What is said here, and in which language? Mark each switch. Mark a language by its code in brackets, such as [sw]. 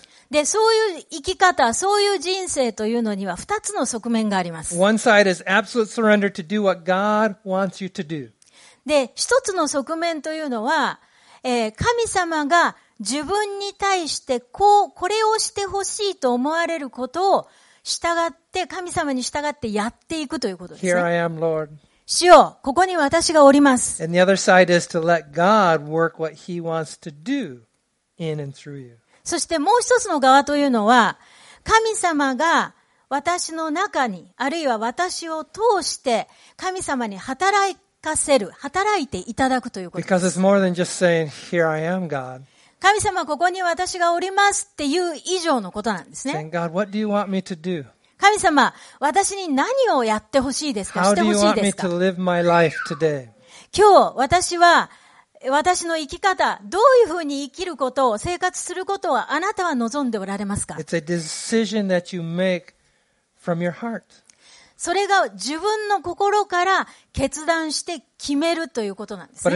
[ja] で、そういう生き方、そういう人生というのには二つの側面があります。 [en] One side is absolute surrender to do what God wants you to do. [ja] で、一つの側面というのは、神様が自分に対してこれをしてほしいと思われることを従って、神様に従ってやっていくということですね。 [en] Here I am, Lord. [ja] 主よ、ここに私がおります。そしてもう一つの側というのは、神様が私の中に、あるいは私を通して神様に働かせる、働いていただくということです。 [en] Because it's more than just saying, "Here I am, God." [ja] 神様、ここに私がおりますっていう以上のことなんですね。 [en] Saying, "God, what do you want me to do? [ja] 神様、私に何をやってほしいですか、してほしいですか。今日、私は、私の生き方、どういうふうに生きることを、生活することを、あなたは望んでおられますか。 [en] It's a decision that you make from your heart. [ja] それが自分の心から決断して決めるということなんですね。